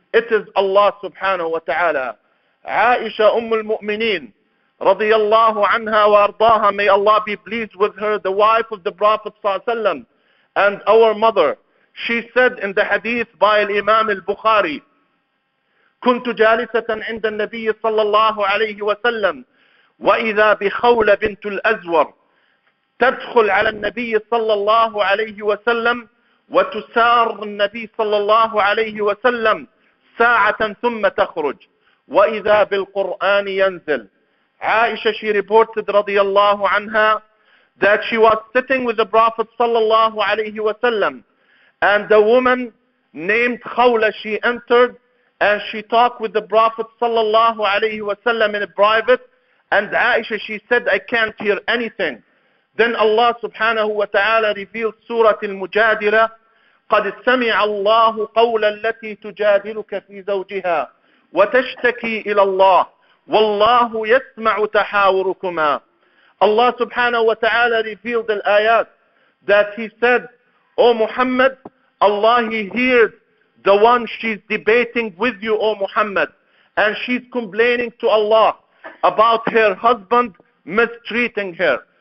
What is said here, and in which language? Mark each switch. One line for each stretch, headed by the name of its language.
English: It is Allah subhanahu wa ta'ala. Aisha Ummul Mu'mineen, radiyallahu anha wa ardaha, may Allah be pleased with her, the wife of the Prophet sallallahu alayhi wa sallam, and our mother, she said in the hadith by Imam al-Bukhari,
Arabic: كنت جالسة عند النبي صلى الله عليه وسلم وإذا بخولة بنت الأزور تدخل على النبي صلى الله عليه وسلم وتسار النبي صلى الله عليه وسلم ساعة ثم تخرج وإذا بالقرآن ينزل.
English: عائشة, she reported
Arabic: رضي الله عنها
English: that she was sitting with the Prophet صلى الله عليه وسلم and a woman named Khawla, she entered and she talked with the Prophet صلى الله عليه وسلم in a private, and Aisha, she said, I can't hear anything. Then Allah subhanahu wa ta'ala revealed Surah Al-Mujadila,
Arabic: قَدْ سَمِعَ اللَّهُ قَوْلَ الَّتِي تُجَادِلُكَ فِي زَوْجِهَا وَتَشْتَكِي إِلَى اللَّهِ وَاللَّهُ يَسْمَعُ تَحَاوُرُكُمَا.
English: Allah subhanahu wa ta'ala revealed the ayat that he said, O Muhammad, Allah, he hears the one she's debating with you, O Muhammad, and she's complaining to Allah about her husband mistreating her.